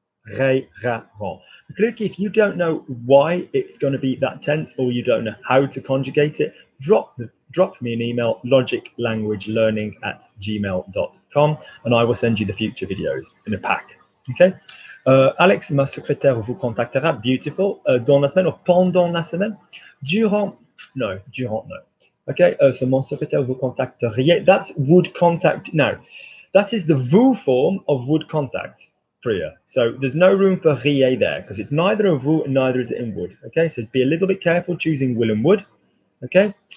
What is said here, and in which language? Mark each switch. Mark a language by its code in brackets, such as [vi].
[en] McClucky, if you don't know why it's going to be that tense or you don't know how to conjugate it, drop me an email, logiclanguagelearning@gmail.com, and I will send you the future videos in a pack, okay? [fr] Alex, ma secrétaire vous contactera, beautiful, dans la semaine, or pendant la semaine, durant, no. [en] Okay, so [fr] mon secrétaire vous contacterait, [en] that's would contact, now, that is the vous form of would contact, Priya. So there's no room for rie there, because it's neither a vous, neither is it in would, okay? So be a little bit careful choosing will and would, okay?